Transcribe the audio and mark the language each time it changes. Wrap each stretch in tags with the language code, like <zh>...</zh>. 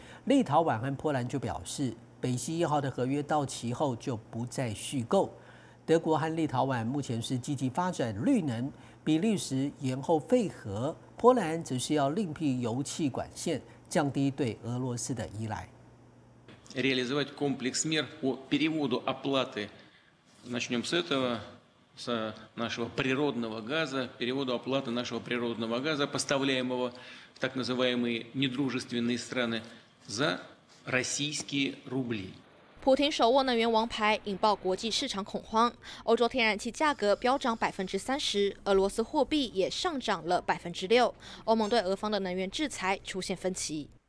<zh>立陶宛和波兰就表示，北溪一号的合约到期后就不再续购。德国和立陶宛目前是积极发展绿能，比利时延后废核，波兰只是要另辟油气管线，降低对俄罗斯的依赖。</zh> <ru>Реализовать комплекс мер по переводу оплаты, начнем с этого, с нашего природного газа, переводу оплаты нашего природного газа, поставляемого в так называемые недружественные страны, за российские рубли.</ru> <zh>普廷手握能源王牌，引爆国际市场恐慌。欧洲天然气价格飙涨30%，俄罗斯货币也上涨了6%。欧盟对俄方的能源制裁出现分歧。</zh>